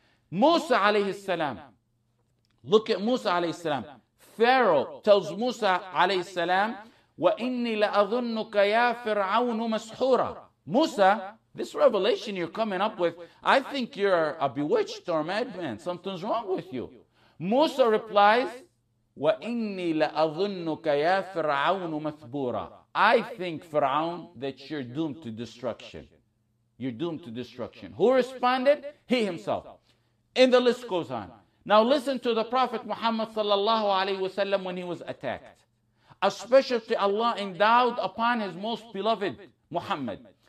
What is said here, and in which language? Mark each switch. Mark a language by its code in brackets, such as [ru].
[en] Musa alayhi salam. Look at Musa alayhi salam. Pharaoh tells Musa alayhi salam, [ar] wa inni la adhunnuka ya fir'aunu mashura. [en] Musa, this revelation you're coming up with, I think you're a bewitched or madman. Something's wrong with you. Musa replies, [ar] وَإِنِّي لَأَظُنُّكَ يَا فِرْعَوْنُ مَثْبُورًا. [en] I think, Fir'aun, that you're doomed to destruction. You're doomed to destruction. Who responded? He himself. And the list goes on. Now listen to the Prophet Muhammad sallallahu alayhi wasallam when he was attacked. A specialty Allah endowed upon his most beloved Muhammad.